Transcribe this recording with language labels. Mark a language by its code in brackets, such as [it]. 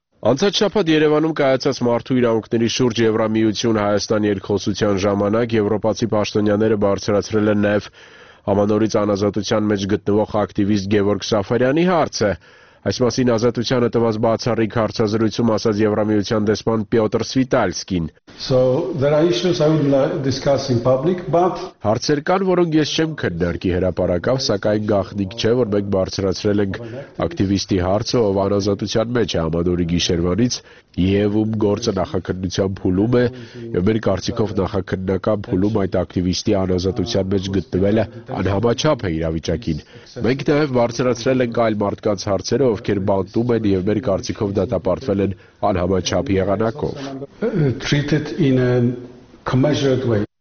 [hy] Անցած շաբաթ Երևանում կայացած մարդու իրավունքների շուրջ Եվրամիություն-Հայաստան երկխոսության ժամանակ եվրոպացի պաշտոնյաները բարձրացրել են նաև ամանորից անազատության մեջ գտնվող ակտիվիստ Գևորգ Սաֆարյանի հարցը։ Այս մասին ազատությանը տված բացառիկ հարցազրույցում ասաց Եվրամիության դեսպան Պյոտր Սվիտալսկին։ [en] So there are issues I would like to discuss in public, but [hy] հարցեր կան, որոնք ես չեմ քննարկի հրապարակավ, սակայն գաղտնիք չէ, որ մենք բարձրացրել ենք ակտիվիստի հարցը, ով անազատության մեջ է ամանորի գիշերվանից, և ում գործը նախաքննության փուլում է, և մեր կարծիքով նախաքննական փուլում այդ ակտիվիստի անազատության մեջ գտնվելը անհամաչափ է իրավիճակին։ Մենք նաև բարձրացրել ենք այլ մարդկանց հարցեր, ովքեր բանտում են, և մեր կարծիքով դատապարտվել են անհամաչափ եղանակով։